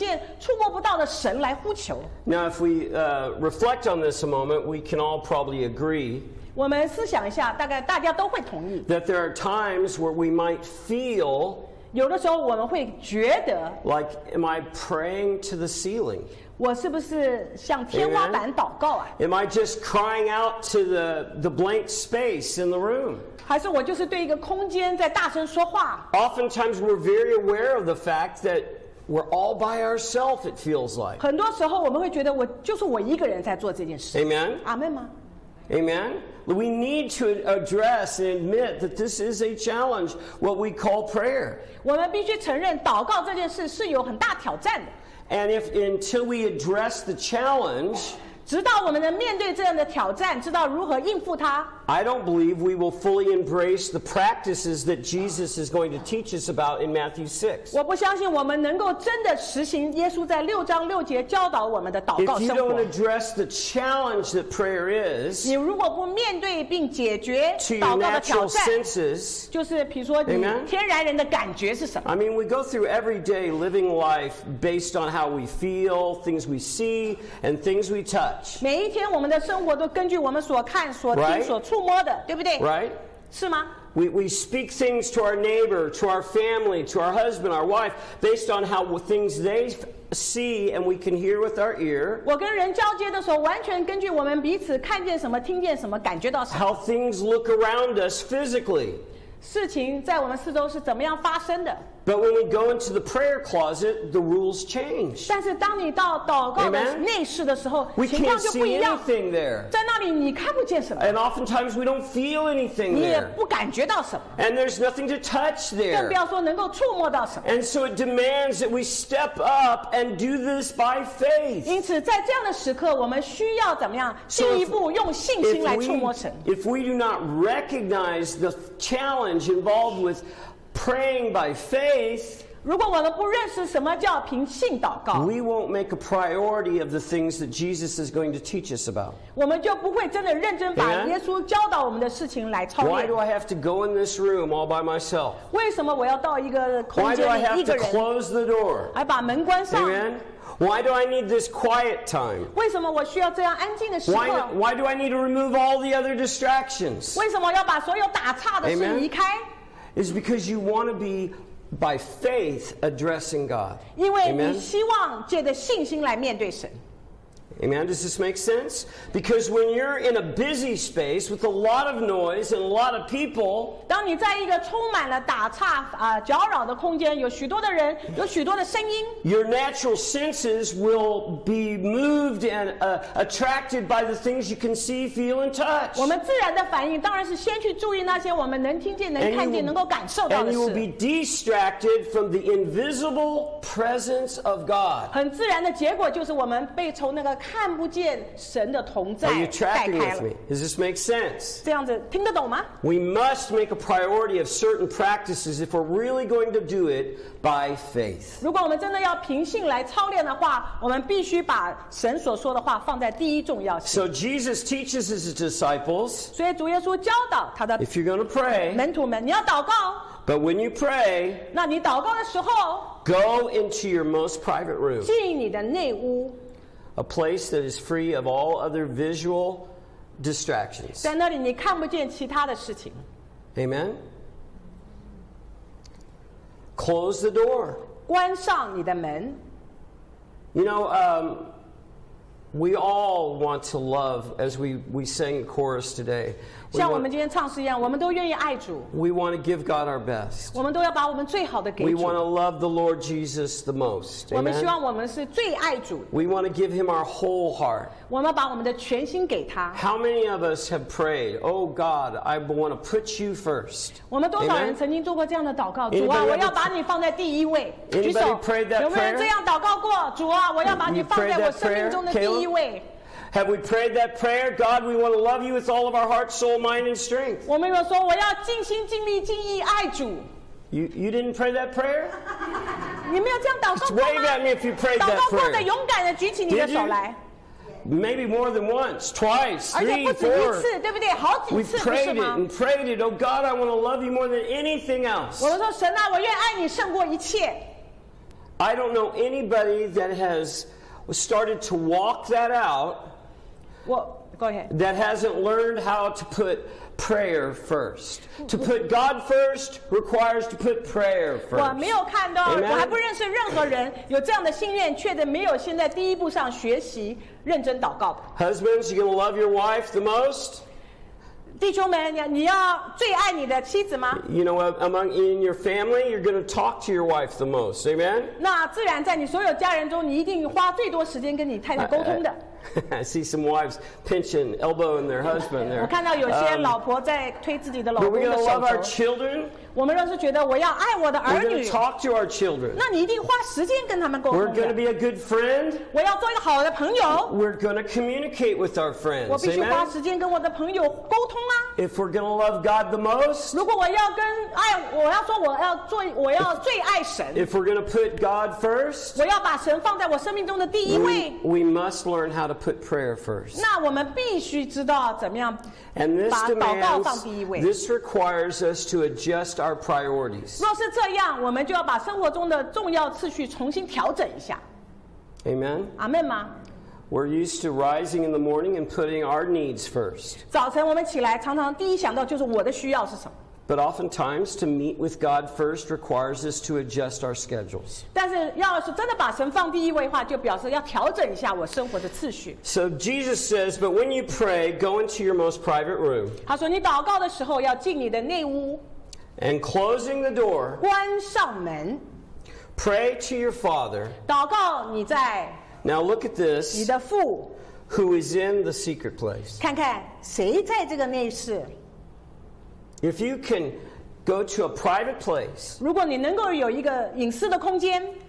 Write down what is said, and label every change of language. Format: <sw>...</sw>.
<zh>必须要有信心，我们才能够向一个看不见、触摸不到的神来呼求。</zh> <en>Now, if we reflect on this a moment, we can all probably agree.</en> <zh>我们思想一下，大概大家都会同意。</zh> <en>That there are times where we might feel.</en> <zh>有的时候我们会觉得。</zh> <en>Like, am I praying to the ceiling?</en> <zh>我是不是向天花板祷告啊?</zh> <en>Am I just crying out to the blank space in the room?</en> <zh>还是我就是对一个空间在大声说话?</zh> <en>Oftentimes we're very aware of the fact that we're all by ourselves, it feels like.</en> <zh>很多时候我们会觉得我就是我一个人在做这件事。</zh> <en>Amen?</en> <zh>阿们吗?</zh> <en>Amen? We need to address and admit that this is a challenge, what we call prayer.</en> <zh>我们必须承认祷告这件事是有很大挑战的。</zh> <en>And if until we address the challenge,</en> <zh>直到我们能面对这样的挑战，知道如何应付它。</zh> <en>I don't believe we will fully embrace the practices that Jesus is going to teach us about in Matthew 6.</en> <zh>我不相信我们能够真的实行耶稣在六章六节教导我们的祷告生活。</zh> <en>If you don't address the challenge that prayer is,</en> <zh>你如果不面对并解决祷告的挑战，</zh> <en>to your natural senses,</en> <zh>就是比如说你天然人的感觉是什么？</zh> <en>I mean, we go through every day living life based on how we feel, things we see, and things we touch.</en> <zh>每一天我们的生活都根据我们所看、所听、所触。</zh> <en>Right?</en> <zh>是吗?</zh> <en>We speak things to our neighbor, to our family, to our husband, our wife, based on how things they see and we can hear with our ear.</en> <zh>我跟人交接的时候，完全根据我们彼此看见什么、听见什么、感觉到什么。</zh> <en>How things look around us physically.</en> <zh>事情在我们四周是怎么样发生的。</zh> <en>But when we go into the prayer closet, the rules change.</en> <zh>但是当你到祷告的内室的时候,</zh> <en>we can't see anything there.</en> <zh>在那里你看不见什么。</zh> <en>And oftentimes we don't feel anything there.</en> <zh>你也不感觉到什么。</zh> <en>And there's nothing to touch there.</en> <zh>更不要说能够触摸到什么。</zh> <en>And so it demands that we step up and do this by faith.</en> <zh>因此在这样的时刻, 我们需要怎么样?进一步用信心来触摸神。</zh> <en>If we do not recognize the challenge involved with praying by faith,</en> <zh>如果我们不认识什么叫凭信祷告,</zh> <en>we won't make a priority of the things that Jesus is going to teach us about.</en> <zh>我们就不会真的认真把耶稣教导我们的事情来操练。</zh> <en>Why do I have to go in this room all by myself?</en> <zh>为什么我要到一个空间里一个人?</zh> <en>Why do I have to close the door?</en> <zh>还把门关上?</zh> <en>Amen? Why do I need this quiet time?</en> <zh>为什么我需要这样安静的时刻?</zh> <en>Why do I need to remove all the other distractions?</en> <zh>为什么要把所有打岔的事离开?</zh> <en>Amen? Is because you want to be by faith addressing God. Amen? Amen. Does this make sense? Because when you're in a busy space with a lot of noise and a lot of people,</en> <zh>当你在一个充满了打岔、搅扰的空间，有许多的人，有许多的声音，</zh> <en>your natural senses will be moved and attracted by the things you can see, feel, and touch.</en> <zh>我们自然的反应当然是先去注意那些我们能听见、能看见、能够感受到的事。</zh> <en>And you will be distracted from the invisible presence of God.</en> <zh>很自然的结果就是我们被从那个看不见神的同在。</zh> <en>Are you tracking with me? Does this make sense?</en> <zh>这样子听得懂吗？</zh> <en>We must make a priority of certain practices if we're really going to do it by faith.</en> <zh>如果我们真的要凭信来操练的话，我们必须把神所说的话放在第一重要性。</zh> <en>So Jesus teaches his disciples.</en> <zh>所以主耶稣教导他的。</zh> <en>If you're going to pray,</en> <zh>门徒们，你要祷告。</zh> <en>But when you pray,</en> <zh>那你祷告的时候，</zh> <en>go into your most private room,</en> <zh>进你的内屋，</zh> <en>a place that is free of all other visual distractions.</en> <zh>在那里你看不见其他的事情。</zh> <en>Amen. Close the door.</en> <zh>关上你的门。</zh> <en>You know, we all want to love, as we sang a chorus today. We want to give God our best. We want to love the Lord Jesus the most. Amen? We want to give him our whole heart. How many of us have prayed, Oh God, I want to put you first? Anybody prayed that prayer? Have we prayed that prayer? God, we want to love you with all of our heart, soul, mind, and strength.</en> <zh>我们有说我要尽心尽力尽意爱主。</zh> <en>You didn't pray that prayer?</en> <zh>你没有这样祷告过吗？</zh> <en>Wave at me if you prayed that prayer.</en> <zh>祷告过的勇敢的举起你的手来。</zh> <en>Maybe more than once, twice, three, four.</en> <zh>而且不止一次，对不对？好几次，是吗？</zh> <en>We prayed it and prayed it. Oh God, I want to love you more than anything else.</en> <zh>我们说神啊，我愿爱你胜过一切。</zh> <en>I don't know anybody that has started to walk that out. Well, go ahead. That hasn't learned how to put prayer first. To put God first requires to put prayer first.</en> <zh>我没有看到，我还不认识任何人有这样的心愿，却没有先在第一步上学习认真祷告。</zh> <en>Husbands, you gonna love your wife the most?</en> <zh>弟兄们，你要最爱你的妻子吗？</zh> <en>You know, among in your family, you're gonna talk to your wife the most. Amen.</en> <zh>那自然在你所有家人中，你一定花最多时间跟你太太沟通的。</zh> <en>I see some wives pinching, elbowing their husband there.</en> <zh>我看到有些老婆在推自己的老公的手。</zh> <en>We're going to love our children.</en> <zh>我们若是觉得我要爱我的儿女。</zh> <en>We're going to talk to our children.</en> <zh>那你一定花时间跟他们沟通。</zh> <en>We're going to be a good friend.</en> <zh>我要做一个好的朋友。</zh> <en>We're going to communicate with our friends.</en> <zh>我必须花时间跟我的朋友沟通啊。</zh> <en>If we're going to love God the most.</en> <zh>如果我要跟爱，我要说我要做，我要最爱神。</zh> <en>If we're going to put God first.</en> <zh>我要把神放在我生命中的第一位。</zh> <en>We must learn how to put prayer first.</en> <zh>那我们必须知道怎么样把祷告放第一位。</zh> <en>This requires us to adjust our priorities.</en> <zh>若是这样，我们就要把生活中的重要次序重新调整一下。</zh> <en>Amen.</en> <zh>阿门吗？</zh> <en>We're used to rising in the morning and putting our needs first.</en> <zh>早晨我们起来，常常第一想到就是我的需要是什么。</zh> <en>But oftentimes, to meet with God first requires us to adjust our schedules.</en> <zh>但是要是真的把神放第一位的话，就表示要调整一下我生活的次序。</zh> <en>So Jesus says, but when you pray, go into your most private room.</en> <zh>他说你祷告的时候要进你的内屋。</zh> <en>And closing the door.</en> <zh>关上门。</zh> <en>Pray to your Father.</en> <zh>祷告你在。</zh> <en>Now look at this.</en> <zh>你的父。</zh> <en>Who is in the secret place?</en> <zh>看看谁在这个内室。</zh> <en>If you can go to a private place,</en> <zh>如果你能够有一个隐私的空间，</zh>